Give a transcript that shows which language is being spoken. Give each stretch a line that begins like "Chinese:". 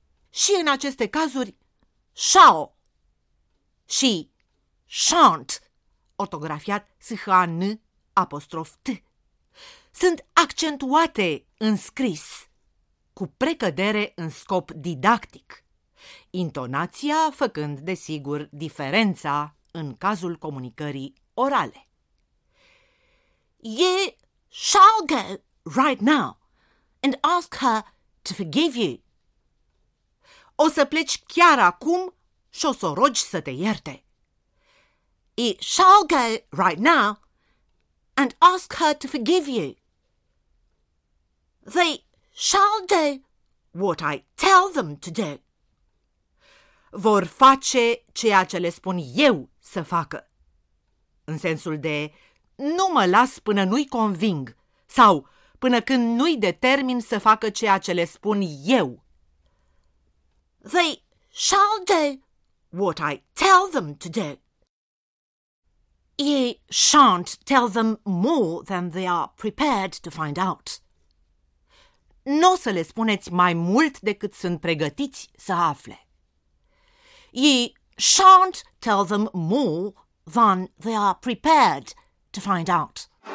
Romanian: Și în aceste cazuri, shall și shan't, ortografiat s-h-a-n apostrof t, sunt accentuate în scris, cu precădere în scop didactic, intonația făcând, desigur, diferența în cazul comunicării orale.
English: You shall go right now and ask her to forgive you.
Romanian: O să pleci chiar acum și o să rogi să te ierte.
English: You shall go right now and ask her to forgive you. They shall do what I tell them to do.
Romanian: Vor face ceea ce le spun eu să facă, în sensul de nu mă las până nu-i conving sau până când nu-i determin să facă ceea ce le spun eu.
English: They shall do what I tell them to do. You shan't tell them more than they are prepared to find out.
Romanian: N-o să le spuneți mai mult decât sunt pregătiți să afle.
English: You shan't tell them more than they are prepared to find out.